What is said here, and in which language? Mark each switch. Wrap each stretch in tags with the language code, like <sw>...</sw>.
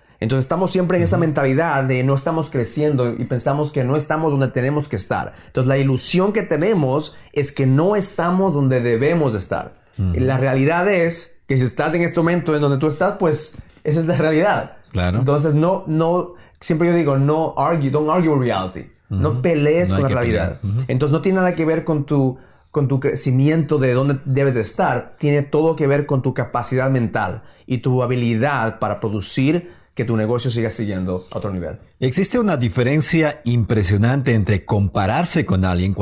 <es>Entonces estamos siempre en esa mentalidad de no estamos creciendo y pensamos que no estamos donde tenemos que estar. Entonces la ilusión que tenemos es que no estamos donde debemos estar. La realidad es que si estás en este momento en donde tú estás, pues esa es la realidad. Claro. Entonces, no, siempre yo digo, no argue,</es> <en>don't argue with reality.</en> <es>No pelees con la realidad. Entonces, no tiene nada que ver con tu crecimiento de dónde debes de estar. Tiene todo que ver con tu capacidad mental y tu habilidad para producir que tu negocio siga siguiendo a otro nivel. Existe una diferencia impresionante entre compararse con alguien.</es>